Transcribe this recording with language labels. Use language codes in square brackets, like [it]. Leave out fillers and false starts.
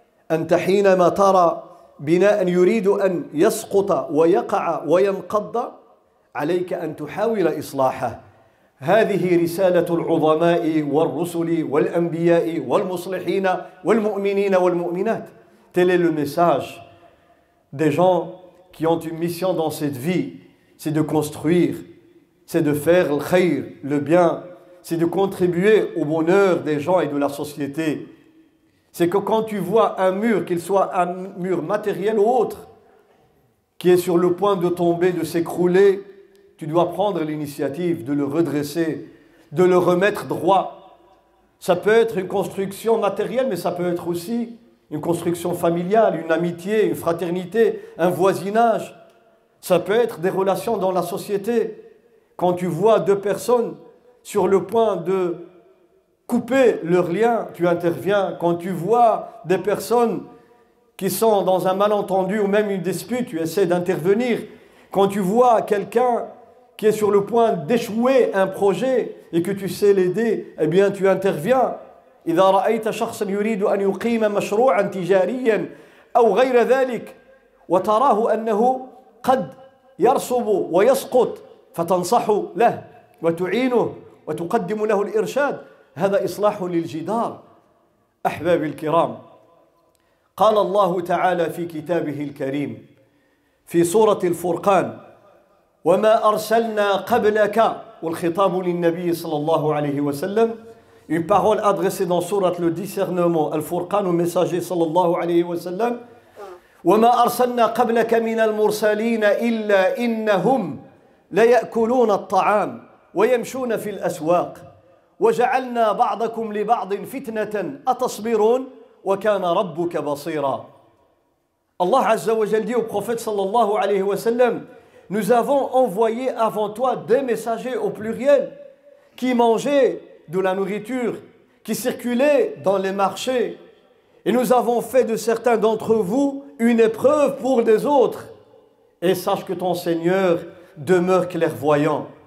[ar] أنت حينما ترى بناء يريد أن يسقط ويقع وينقض عليك أن تحاول إصلاحه. هذه رسالة العظماء والرسل والأنبياء والمصلحين والمؤمنين والمؤمنات. [fr] Tel est le message des gens qui ont une mission dans cette vie, c'est de construire, c'est de faire le khayr, le bien, c'est de contribuer au bonheur des gens et de la société. C'est que quand tu vois un mur, qu'il soit un mur matériel ou autre, qui est sur le point de tomber, de s'écrouler, tu dois prendre l'initiative de le redresser, de le remettre droit. Ça peut être une construction matérielle, mais ça peut être aussi une construction familiale, une amitié, une fraternité, un voisinage. Ça peut être des relations dans la société. Quand tu vois deux personnes sur le point de couper leurs liens, tu interviens. Quand tu vois des personnes qui sont dans un malentendu ou même une dispute, tu essaies d'intervenir. Quand tu vois quelqu'un qui est sur le point d'échouer un projet et que tu sais l'aider, eh bien tu interviens. [ar] إذا رأيت شخصا يريد أن يقيم مشروعا تجاريا أو غير ذلك وتراه أنه قد يرسب ويسقط فتنصح له وتعينه وتقدم له الإرشاد هذا إصلاح للجدار أحباب الكرام. قال الله تعالى في كتابه الكريم في سورة الفرقان وما أرسلنا قبلك والخطاب للنبي صلى الله عليه وسلم [fr] une parole adressée dans sourate le discernement al-furqan au messager [ar] صلى الله عليه وسلم وما أرسلنا قبلك من المرسلين إلا إنهم لا يأكلون الطعام ويمشون في الأسواق وجعلنا بعضكم لبعض فتنة أتصبرون وكان ربك بصيرا. [fr] الله عز وجل dit au prophète صلى الله عليه وسلم nous avons envoyé avant toi des messagers au pluriel qui mangeaient de la nourriture qui circulait dans les marchés et nous avons fait de certains d'entre vous une épreuve pour des autres et sache que ton Seigneur demeure clairvoyant.